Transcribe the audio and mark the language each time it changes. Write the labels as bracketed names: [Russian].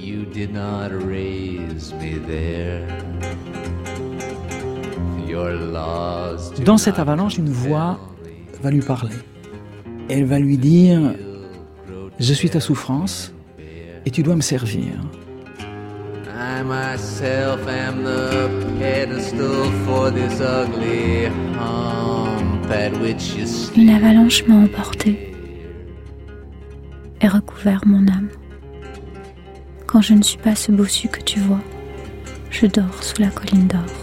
[English] You did not raise me there. Your laws do. [French] Dans cette avalanche, une voix va lui parler. Elle va lui dire: je suis ta souffrance et tu dois me servir. [English] I myself am the pedestal for this ugly hump at which you stand. [French] Une avalanche m'a emporté et recouvert mon âme. Quand je ne suis pas ce bossu que tu vois, je dors sous la colline d'or.